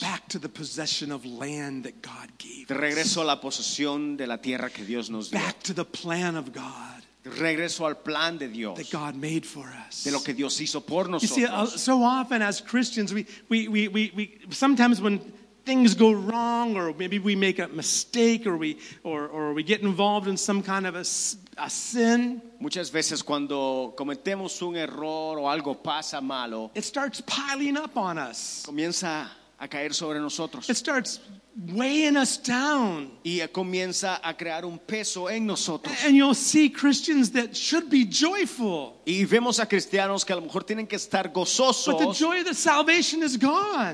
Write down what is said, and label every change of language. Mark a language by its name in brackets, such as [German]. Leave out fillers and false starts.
[English] Back to the possession of land that God gave. [Spanish] De regreso a la posesión de la tierra que Dios nos dio. [English] Back to the plan of God. [Spanish] Regreso al plan de Dios, [English] that God made for us. [Spanish] De lo que Dios hizo por nosotros. [English] You see, so often as Christians, we sometimes when things go wrong, or maybe we make a mistake, or we get involved in some kind of a sin. [Spanish] Muchas veces cuando cometemos un error o algo pasa malo, [English] it starts piling up on us. [Spanish] Comienza a caer sobre nosotros. [English] It starts weighing us down. [Spanish] Y comienza a crear un peso en nosotros. [English] And you'll see Christians that should be joyful. [Spanish] Y vemos a cristianos que a lo mejor tienen que estar gozosos. [English] But the joy of the salvation is gone.